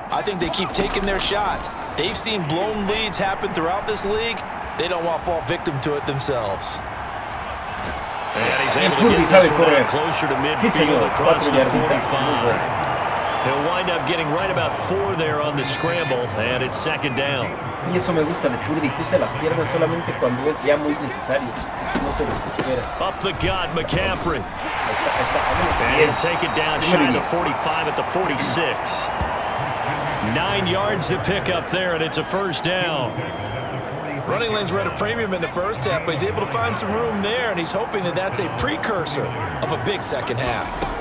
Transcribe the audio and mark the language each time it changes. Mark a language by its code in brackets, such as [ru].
[en] I think they keep taking their shots. They've seen blown leads happen throughout this league. They don't want to fall victim to it themselves. And he's able to get this one closer to midfield across the 45. He'll wind up getting right about 4 there on the scramble, and it's second down. [es] Y eso me gusta de Purdy, cruza las piernas solamente cuando es ya muy necesario. No se desespera. [en] Up the gut, McCaffrey. [es] Ahí está. [en] And take it down, shy of the 45 at the 46. 9 yards to pick up there, and it's a first down. Running lanes were at a premium in the first half, but he's able to find some room there, and he's hoping that that's a precursor of a big second half.